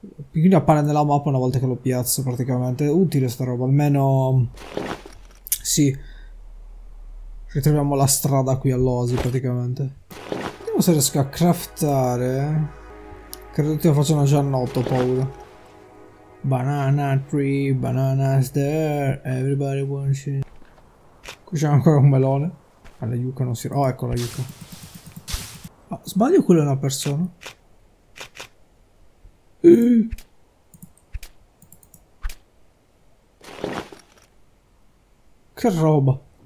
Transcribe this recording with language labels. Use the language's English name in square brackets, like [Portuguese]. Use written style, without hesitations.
[Italian] Quindi appare nella mappa una volta che lo piazzo praticamente. Utile sta roba, almeno. Sì. Ritroviamo la strada qui all'oasi praticamente. Vediamo se riesco a craftare. Credo che facciano già notte, ho paura. [English] Banana tree, bananas there, everybody wants it. [Italian] Qui c'è ancora un melone. Ma la yucca non si. Oh, ecco la yucca. Ma sbaglio, quella è una persona? Che roba.